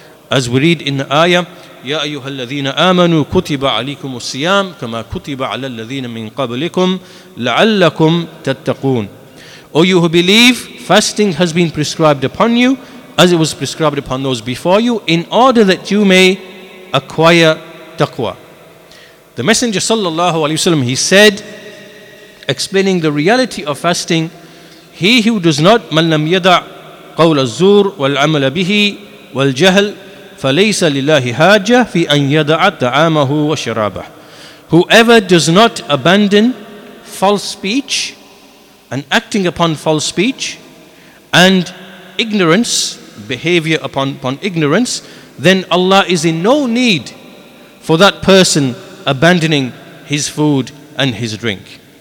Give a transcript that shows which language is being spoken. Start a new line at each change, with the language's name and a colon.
English: As we read in the ayah,
Arabic: يَا أَيُّهَا الَّذِينَ آمَنُوا كُتِبَ عَلَيْكُمُ الصِّيَامُ كَمَا كُتِبَ عَلَى الَّذِينَ مِنْ قَبْلِكُمْ لَعَلَّكُمْ تَتَّقُونَ.
English: O you who believe, fasting has been prescribed upon you as it was prescribed upon those before you, in order that you may acquire taqwa. The Messenger sallallahu alayhi wa sallam, he said, explaining the reality of fasting, he who does not,
Arabic: مَلْ لَمْ يَدَعْ قَوْلَ الزُّورِ وَالْعَمَلَ بِهِ وَالْجَهْلِ فليس لله حاجة في أن يدع طعامه وشرابه.
English: Whoever does not abandon false speech and acting upon false speech and ignorance, behavior upon ignorance, then Allah is in no need for that person abandoning his food and his drink.